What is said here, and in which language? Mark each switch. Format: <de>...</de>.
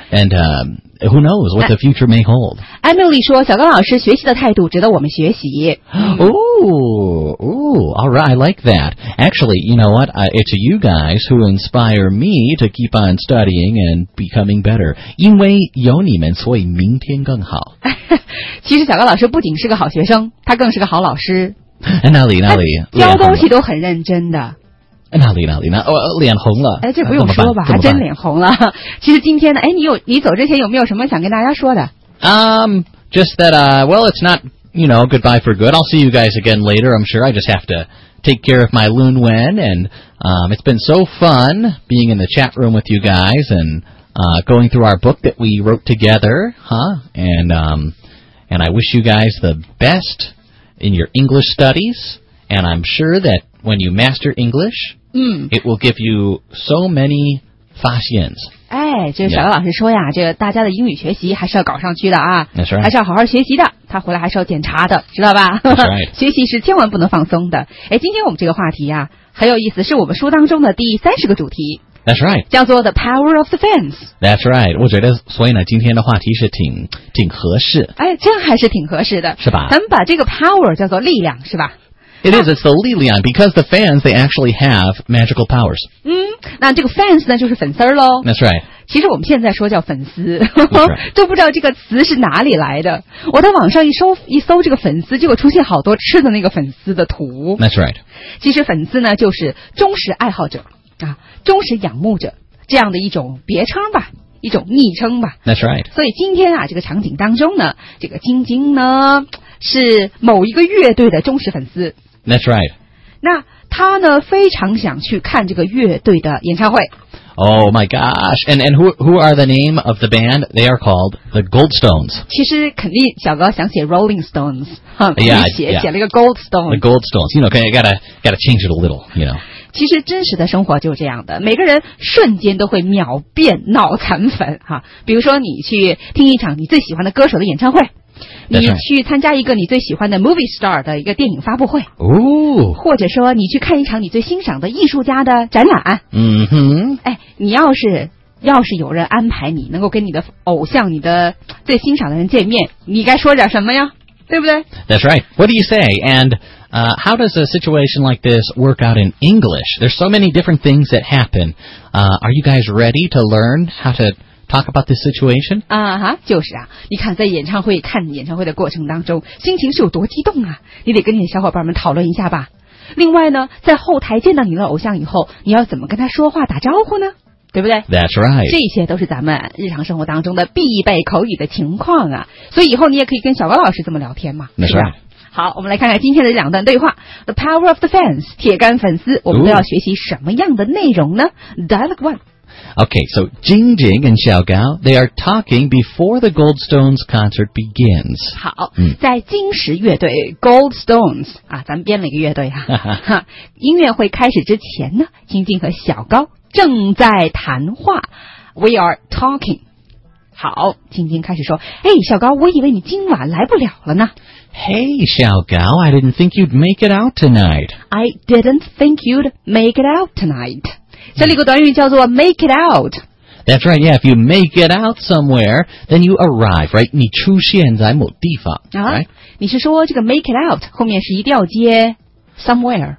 <en>And Who knows what the future may hold?</en> <zh>Emily 说，小高老师学习的态度值得我们学习。</zh> <en>All right, I like that. Actually, you know what? It's you guys who inspire me to keep on studying and becoming better.</en> <zh>因为有你们，所以明天更好。其实小高老师不仅是个好学生，他更是个好老师。哪里？教东西都很认真的。哪里，脸红了。哎，这不用说吧，还真脸红了。其实今天呢，哎，你走之前有没有什么想跟大家说的？</zh> <en>Just that, well, it's not, you know, goodbye for good. I'll see you guys again later, I'm sure. I just have to take care of my Lun Wen, and it's been so fun being in the chat room with you guys and going through our book that we wrote together, huh? And I wish you guys the best in your English studies, and I'm sure that,When you master English,it will give you so many 发现。</en> <zh>哎，就是小高老师说呀，这个大家的英语学习还是要搞上去的啊。</zh> <en>That's right.</en> <zh>还是要好好学习的，他回来还是要检查的，知道吧？</zh> <en>That's right.</en> <zh>学习是千万不能放松的。哎，今天我们这个话题啊，很有意思，是我们书当中的第30个主题。</zh> <en>That's right. 叫做 The Power of the Fans. That's right.</en> <zh>我觉得所以呢今天的话题是挺合适。哎，这还是挺合适的。是吧？咱们把这个 power 叫做力量，是吧？</zh> <en>It is, it's the Lilian, because the fans, they actually have magical powers.</en> <zh>那这个 fans 呢就是粉丝咯。</zh> <en>That's right.</en> <zh>其实我们现在说叫粉丝。</zh> <en>Right.</en> <zh>都不知道这个词是哪里来的。我在网上一搜这个粉丝，结果出现好多吃的那个粉丝的图。</zh> <en>That's right.</en> <zh>其实粉丝呢就是忠实爱好者啊，忠实仰慕者这样的一种别称吧。一种昵称吧。 That's right. 所以今天啊，这个场景当中呢，这个晶晶呢是某一个乐队的忠实粉丝。 That's right. 那他呢非常想去看这个乐队的演唱会。</zh> <en>Oh my gosh! And who are the name of the band? They are called the Goldstones.</en> <zh>其实肯定小高想写 Rolling Stones，哈，写了一个 Goldstones。</zh> <en>The Goldstones, you know, gotta change it a little, you know.</en> <zh>其实真实的生活就是这样的，每个人瞬间都会秒变脑残粉哈。比如说你去听一场你最喜欢的歌手的演唱会，你去参加一个你最喜欢的 movie star 的一个电影发布会，或者说你去看一场你最欣赏的艺术家的展览。嗯哼，哎，你要是有人安排你能够跟你的偶像、你的最欣赏的人见面，你该说点什么呀？对不对</zh> <en>？That's right. What do you say? And how does a situation like this work out in English? There's so many different things that happen. Are you guys ready to learn how to talk about this situation?</en> <zh>啊哈，就是啊，你看在演唱会看演唱会的过程当中，心情是有多激动啊！你得跟你的小伙伴们讨论一下吧。另外呢，在后台见到你的偶像以后，你要怎么跟他说话打招呼呢？对不对</zh> <en>？That's right.</en> <zh>这些都是咱们日常生活当中的必备口语的情况啊，所以以后你也可以跟小高老师这么聊天嘛。</zh> <en>That's right.</en> <zh>好，我们来看看今天的两段对话。</zh> <en>The power of the fans,</en> <zh>铁杆粉丝，我们都要学习什么样的内容呢 ？Dialogue one.</zh> <en>Okay, so Jing Jing and Xiao Gao, they are talking before the Gold Stones concert begins.</en> <zh>好，在金石乐队 Gold Stones 啊，咱们编了一个乐队啊。音乐会开始之前呢，Jing Jing和小高正在谈话 ，</zh> <en>We are talking。</en> <zh>好，晶晶开始说：“哎，小高，我以为你今晚来不了了呢。”</zh> <en>Hey, 小高 ，I didn't think you'd make it out tonight. I didn't think you'd make it out tonight.</en> <zh>这里有个短语叫做 make it out。</zh> <en>That's right. Yeah, if you make it out somewhere, then you arrive, right?</en> <zh>你出现在某地方 ，right？你是说这个 make it out 后面是一定要接？Somewhere.</zh>